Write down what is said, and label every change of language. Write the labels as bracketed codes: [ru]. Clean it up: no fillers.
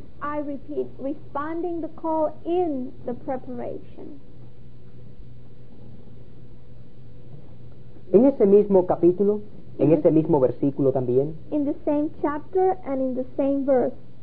[en] I repeat, responding the call in the preparation. [es] En ese mismo capítulo, en ese mismo versículo también. [en] In the same chapter and in the same verse.